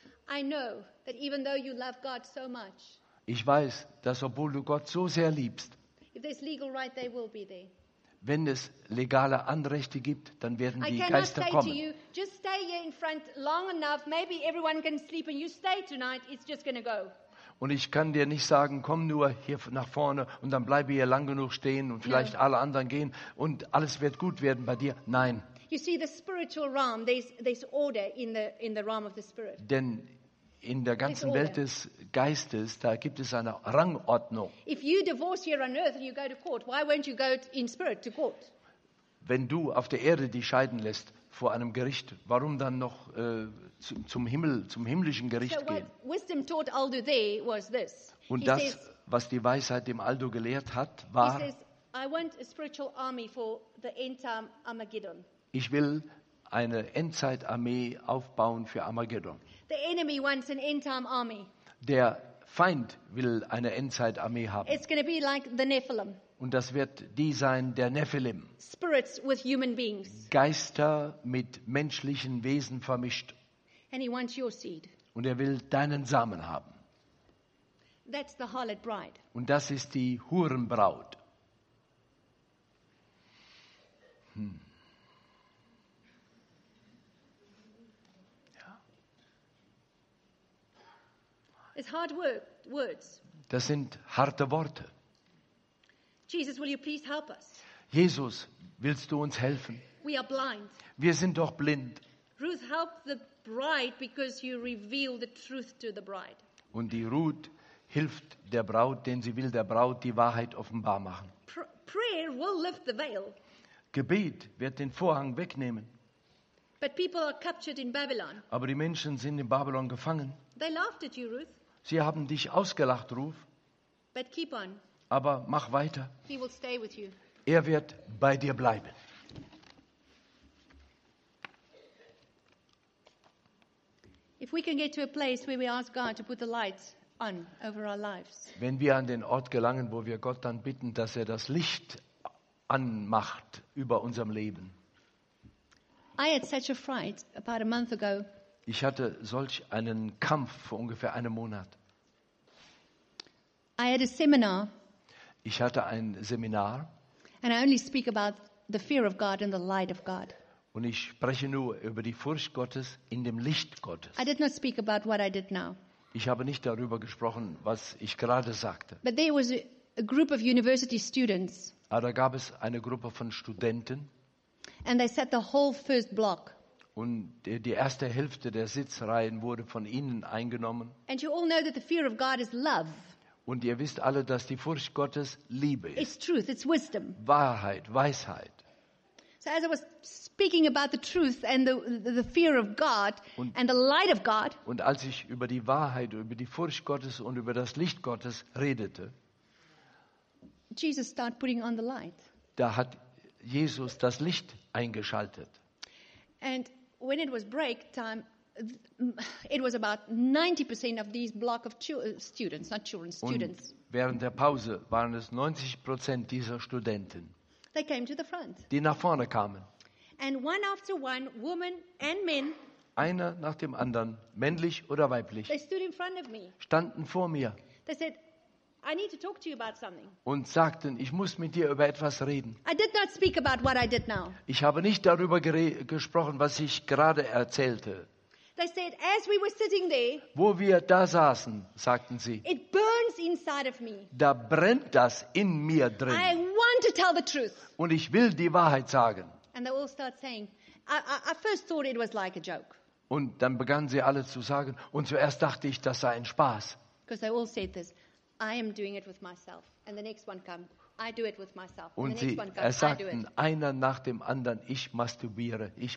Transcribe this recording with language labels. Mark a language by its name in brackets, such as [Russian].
[English] I know that even though you love God so much. [German] Ich weiß, dass obwohl du Gott so sehr liebst. [English] If there's legal right, they will be there. [German] Wenn es legale Anrechte gibt, dann werden die Geister kommen. [English] I cannot say to you, just stay here in front long enough, maybe everyone can sleep and you stay tonight, it's just going to go. [German] Und ich kann dir nicht sagen, komm nur hier nach vorne und dann bleibe hier lang genug stehen und vielleicht alle anderen gehen und alles wird gut werden bei dir. Nein. [English] You see, the spiritual realm, there's order in the realm of the spirit. [German] Denn in der ganzen Welt des Geistes, da gibt es eine Rangordnung. [English] If you divorce here on earth and you go to court, why won't you go in spirit to court? [German] Wenn du auf der Erde dich scheiden lässt vor einem Gericht, warum dann noch zum Himmel, zum himmlischen Gericht gehen? [English] So what wisdom taught Aldo there was this. [German] Und [English] he [German] das, [English] says, [German] was die Weisheit dem Aldo gelehrt hat, war, [English] he says, I want a spiritual army for the end time Armageddon. [German] Ich will eine Endzeitarmee aufbauen für Armageddon. [English] The enemy wants an end-time army. [German] Der Feind will eine Endzeitarmee haben. [English] It's going to be like the Nephilim. [German] Und das wird die sein, der Nephilim. [English] Spirits with human beings. [German] Geister mit menschlichen Wesen vermischt. [English] And he wants your seed. [German] Und er will deinen Samen haben. [English] That's the harlot bride. [German] Und das ist die Hurenbraut. [English] It's hard words. [German] Das sind harte Worte. [English] Jesus, will you please help us? [German] Jesus, willst du uns helfen? [English] We are blind. [German] Wir sind doch blind. [English] Ruth, help the bride because you reveal the truth to the bride. [German] Und die Ruth hilft der Braut, denn sie will der Braut die Wahrheit offenbar machen. [English] Prayer will lift the veil. [German] Gebet wird den Vorhang wegnehmen. [English] But people are captured in Babylon. [German] Aber die Menschen sind in Babylon gefangen. [English] They laughed at you, Ruth. [German] Sie haben dich ausgelacht, Ruth. [English] But keep on. [German] Aber mach weiter. [English] He will stay with you. [German] Er wird bei dir bleiben. [English] If we can get to a place where we ask God to put the light on over our lives. [German] Wenn wir an den Ort gelangen, wo wir Gott dann bitten, dass er das Licht anmacht über unserem Leben. [English] I had such a fright about a month ago. [German] Ich hatte solch einen Kampf vor ungefähr einem Monat. [English] I had a seminar. [German] Ich hatte ein Seminar. [English] And I only speak about the fear of God and the light of God. [German] Und ich spreche nur über die Furcht Gottes in dem Licht Gottes. [English] I did not speak about what I did now. [German] Ich habe nicht darüber gesprochen, was ich gerade sagte. [English] But there was a group of university students. [German] Aber da gab es eine Gruppe von Studenten. [English] And they sat the whole first block. [German] Und die erste Hälfte der Sitzreihen wurde von ihnen eingenommen. [English] And you all know that the fear of God is love. [German] Und ihr wisst alle, dass die Furcht Gottes Liebe ist. [English] It's truth, it's wisdom. [German] Wahrheit, Weisheit. [English] So as I was speaking about the truth and the fear of God and the light of God. [German] Und als ich über die Wahrheit, über die Furcht Gottes und über das Licht Gottes redete. [English] Jesus started putting on the light. [German] Da hat Jesus das Licht eingeschaltet. [English] And when it was break time, it was about 90% of these block of students, not children, students. [German] Und während der Pause waren es 90% dieser Studenten. [English] They came to the front. [German] Die nach vorne kamen. [English] And one after one, women and men. [German] Einer nach dem anderen, männlich oder weiblich. [English] They stood in front of me. [German] Standen vor mir. [English] They said, I need to talk to you about something. [German] Und sagten, ich muss mit dir über etwas reden. [English] I did not speak about what I did now. [German] Ich habe nicht darüber gesprochen, was ich gerade erzählte. [English] They said, as we were sitting there, [German] wo wir da saßen, sagten sie, [English] it burns inside of me. [German] Da brennt das in mir drin. [English] I want to tell the truth. [German] Und ich will die Wahrheit sagen. [English] And they all start saying, I first thought it was like a joke. [German] Und dann begannen sie alle zu sagen, und zuerst dachte ich, das sei ein Spaß. [English] Because they all said this, I am doing it with myself. And the next one came, I do it with myself. [German] Und sie sagten, einer nach dem anderen, ich masturbiere.